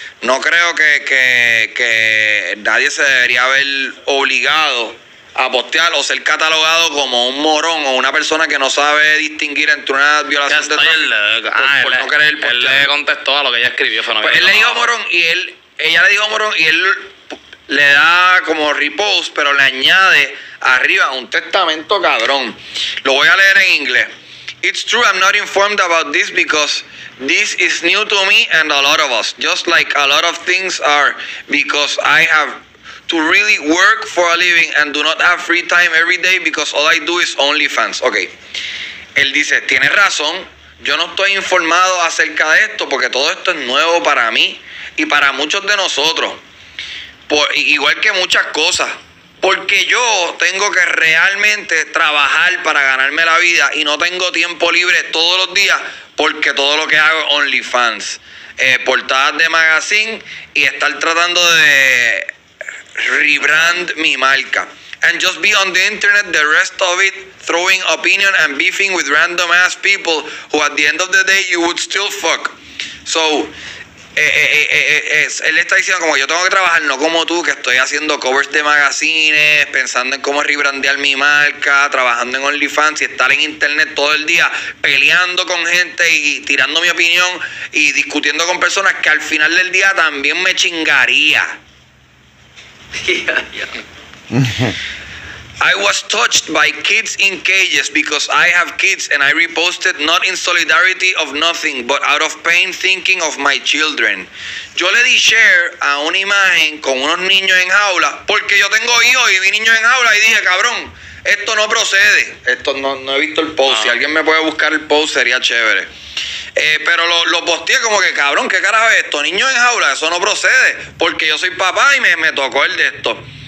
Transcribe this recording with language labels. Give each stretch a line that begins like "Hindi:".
Spanish: No creo que nadie se debería haber obligado a postear o ser catalogado como un morón o una persona que no sabe distinguir entre una violación de tráfico por no querer postear. Él le contestó a lo que ella escribió. Pues él le dijo morón y él, ella le dijo morón y él le da como repost, pero le añade arriba un testamento cabrón. Lo voy a leer en inglés.
English: It's true I'm not informed about this because this is new to me and a lot of us, just like a lot of things are, because I have to really work for a living and do not have free time every day because all I do is OnlyFans. Okay.
Spanish: Él dice, tiene razón, yo no estoy informado acerca de esto porque todo esto es nuevo para mí y para muchos de nosotros, por, igual que muchas cosas. Porque yo tengo que realmente trabajar para ganarme la vida y no tengo tiempo libre todos los días porque todo lo que hago es OnlyFans. Portadas de magazine y estar tratando de rebrand mi marca.
English: And just be on the internet the rest of it, throwing opinion and beefing with random ass people who at the end of the day you would still fuck. So...
Spanish: él está diciendo como yo tengo que trabajar, no como tú que estoy haciendo covers de magazines, pensando en cómo rebrandear mi marca, trabajando en OnlyFans y estar en internet todo el día peleando con gente y tirando mi opinión y discutiendo con personas que al final del día también me chingaría.
English: I was touched by kids in cages because I have kids and I reposted not in solidarity of nothing but out of pain thinking of my children.
Spanish: Yo le di share a una imagen con unos niños en jaula porque yo tengo hijos y vi niños en jaula y dije, cabrón, esto no procede. Esto no, no he visto el post. Si alguien me puede buscar el post sería chévere. Pero lo posteé como que, cabrón, ¿qué carajo es esto? Niños en jaula, eso no procede porque yo soy papá y me tocó el de esto.